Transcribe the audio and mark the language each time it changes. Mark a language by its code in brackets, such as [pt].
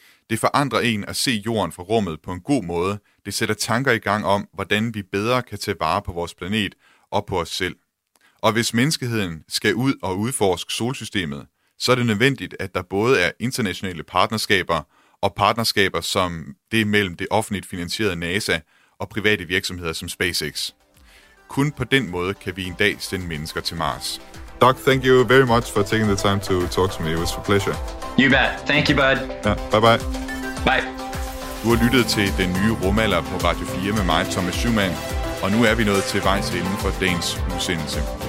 [da] Det forandrer en at se jorden fra rummet på en god måde. Det sætter tanker i gang om, hvordan vi bedre kan tage vare på vores planet og på os selv. Og hvis menneskeheden skal ud og udforske solsystemet, så er det nødvendigt, at der både er internationale partnerskaber og partnerskaber som det mellem det offentligt finansierede NASA og private virksomheder som SpaceX. Kun på den måde kan vi en dag sende mennesker til Mars. [en] Doc, thank you very much for taking the time to talk to me. It was a pleasure. You bet. Thank you, bud. [da] Ja, bye-bye. [en] Bye. [da] Du har lyttet til Den Nye Rumalder på Radio 4 med mig, Thomas Schumann, og nu er vi nået til vejs ende for dagens udsendelse.